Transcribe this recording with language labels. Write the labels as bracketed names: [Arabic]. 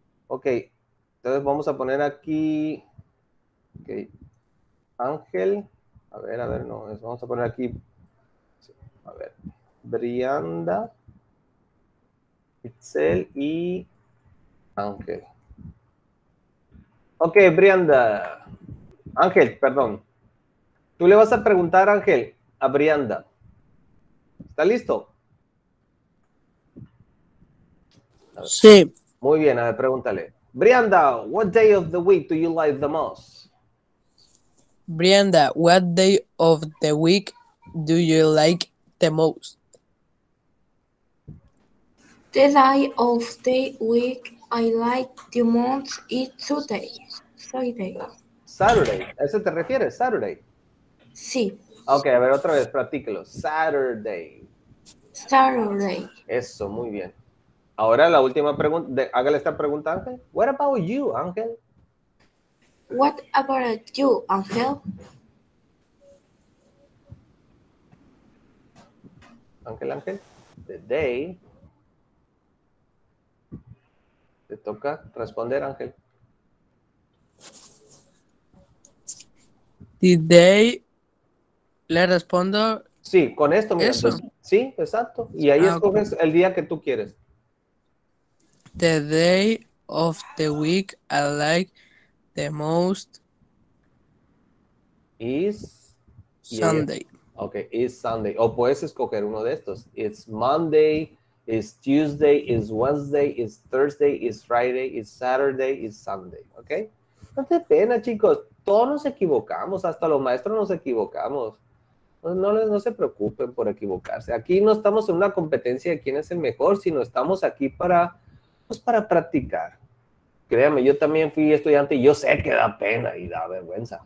[Spanish] Ok, entonces vamos a poner aquí, ok, Ángel, a ver, no, vamos a poner aquí, a ver, Brianda, Itzel y Ángel. Ok, Brianda. Ángel, perdón. Tú le vas a preguntar, Ángel, a Brianda. ¿Está listo? Sí. Muy bien, a ver, pregúntale. [English] Brianda, what day of the week do you like the most? Brianda, what day of the week do you like the most? The day of the week I like the most is today. Saturday. [Spanish] Saturday. ¿A eso te refieres? [English] Saturday. [Spanish] Sí. Ok, a ver, otra vez, practíquelo. [English] Saturday. Saturday. [Spanish] Eso, muy bien. Ahora la última pregunta. Hágale esta pregunta, Ángel. [English] What about you, Ángel? What about you, Ángel? Ángel. The day. [Spanish] Te toca responder, Ángel. [English] The day, [Spanish] le respondo. Sí, con esto mismo. Eso. Sí, exacto. Y ahí escoges el día que tú quieres. [English] The day of the week I like the most is Sunday. Yeah. Okay, is Sunday. [Spanish] O puedes escoger uno de estos. [English] It's Monday, it's Tuesday, it's Wednesday, it's Thursday, it's Friday, it's Saturday, it's Sunday. [Spanish] Okay? No te pena, chicos. Todos nos equivocamos. Hasta los maestros nos equivocamos. No se preocupen por equivocarse. Aquí no estamos en una competencia de quién es el mejor, sino estamos aquí para, pues, para practicar. Créame, yo también fui estudiante y yo sé que da pena y da vergüenza.